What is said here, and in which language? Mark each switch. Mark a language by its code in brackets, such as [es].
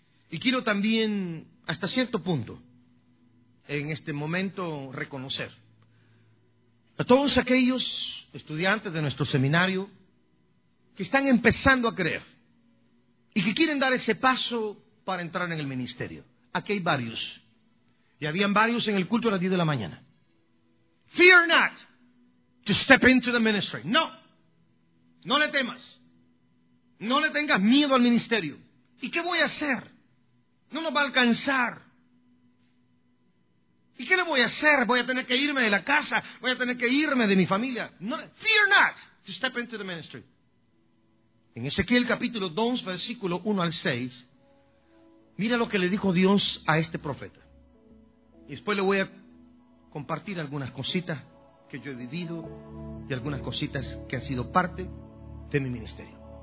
[es] Y quiero también, hasta cierto punto, en este momento, reconocer a todos aquellos estudiantes de nuestro seminario que están empezando a creer y que quieren dar ese paso para entrar en el ministerio. Aquí hay varios. Y habían varios en el culto a las 10 de la mañana. [en] Fear not to step into the ministry. [es] No. No le temas. No le tengas miedo al ministerio. ¿Y qué voy a hacer? No nos va a alcanzar. ¿Y qué le voy a hacer? Voy a tener que irme de la casa. Voy a tener que irme de mi familia. [en] No, fear not to step into the ministry. [es] En Ezequiel capítulo 2, versículo 1 al 6. Mira lo que le dijo Dios a este profeta. Y después le voy a compartir algunas cositas que yo he vivido y algunas cositas que han sido parte de mi ministerio.